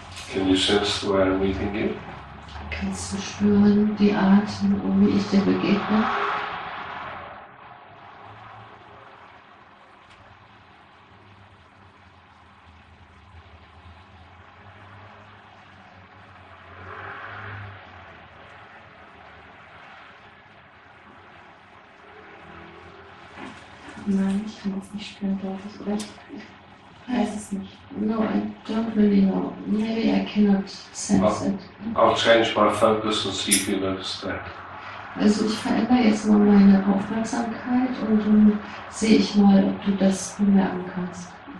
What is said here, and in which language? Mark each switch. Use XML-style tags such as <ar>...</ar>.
<en>Can you sense the way I'm meeting you?</en> <de>Kannst du spüren die Art, wie ich dir begegne? Nein, ich kann das nicht spüren, darf ich, oder?</de> <en>No, I don't really know. Maybe I cannot sense it. I'll change my focus and see if you notice that.</en> <de>Also, ich verändere jetzt mal meine Aufmerksamkeit und dann sehe ich mal, ob du das bemerken kannst.</de>